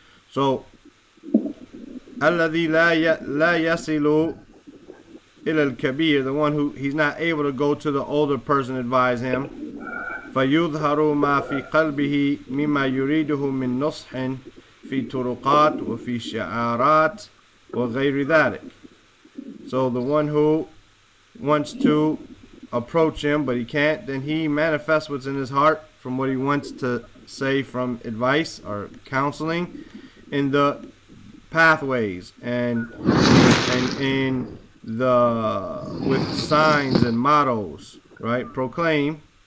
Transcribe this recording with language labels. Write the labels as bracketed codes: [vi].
[en] So [ar] الذي لا يصل إلى الكبير, [en] the one who, he's not able to go to the older person, advise him. [ar] فيظهر ما في قلبه مما يريده من نصح في طرقات وفي شعارات وغير ذلك. [en] So the one who wants to approach him but he can't, then he manifests what's in his heart from what he wants to say from advice or counseling in the pathways and in the, with signs and mottos, right? Proclaim.